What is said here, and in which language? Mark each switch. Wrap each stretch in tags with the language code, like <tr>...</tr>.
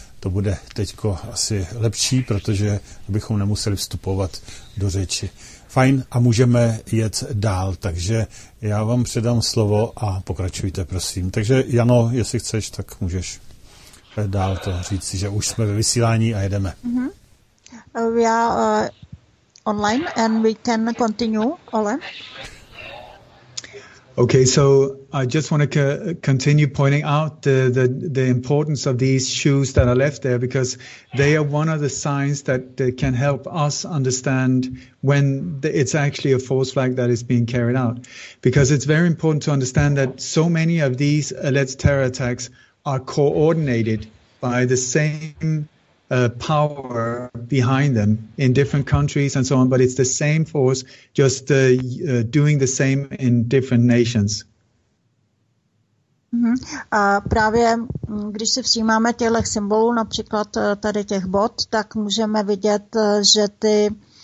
<cs>To bude teďko asi lepší, protože bychom nemuseli vstupovat do řeči. Fajn, a můžeme jet dál, takže já vám předám slovo a pokračujte, prosím. Takže Jano, jestli chceš, tak můžeš dál to říct, že už jsme ve vysílání a jedeme. Mm-hmm.</cs> <en>We are online and we can continue, Ole. Okay, so I just want to continue pointing out the importance of these shoes that are left there, because they are one of the signs that can help us understand when it's actually a false flag that is being carried out. Because it's very important to understand that so many of these alleged terror attacks are coordinated by the same power behind them in different countries and so on, but it's the same force just doing the same in different nations. Mm-hmm.</en> <cs>A právě když si všímáme těchto symbolů, například tady těch bot, tak můžeme vidět, že ty</cs>